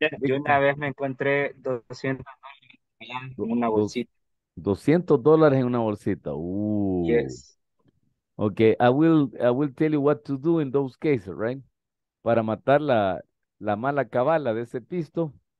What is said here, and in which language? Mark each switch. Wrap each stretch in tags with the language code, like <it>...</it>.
<es>Yo una vez me encontré $200 en una bolsita. $200 en una bolsita. Ooh.</es> <en>Yes. Okay, I will tell you what to do in those cases, right?</en> <es>Para matar la mala cabala de ese pisto.</es>